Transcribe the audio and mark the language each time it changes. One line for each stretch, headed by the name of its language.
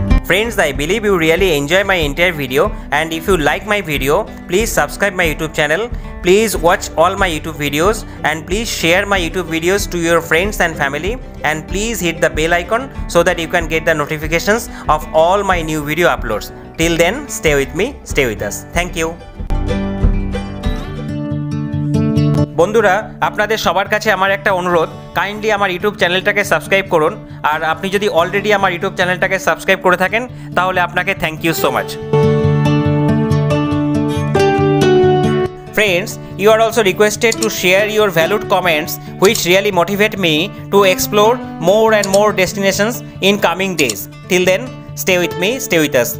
English: Friends, I believe you really enjoy my entire video, and if you like my video, please subscribe my YouTube channel. Please watch all my YouTube videos and please share my YouTube videos to your friends and family, and please hit the bell icon so that you can get the notifications of all my new video uploads. Till then, stay with me, stay with us. Thank you.
Bangla: বন্ধুরা, আপনাদের সবার কাছে আমার একটা অনুরোধ, kindly আমার YouTube চ্যানেলটাকে subscribe করুন। আর আপনি যদি অলরেডি আমার ইউটিউব চ্যানেলটাকে সাবস্ক্রাইব করে থাকেন তাহলে আপনাকে
English: Thank you so much. Friends, you are also requested to share your valued comments, which really motivate me to explore more and more destinations in coming days. Till then, stay with me, stay with us.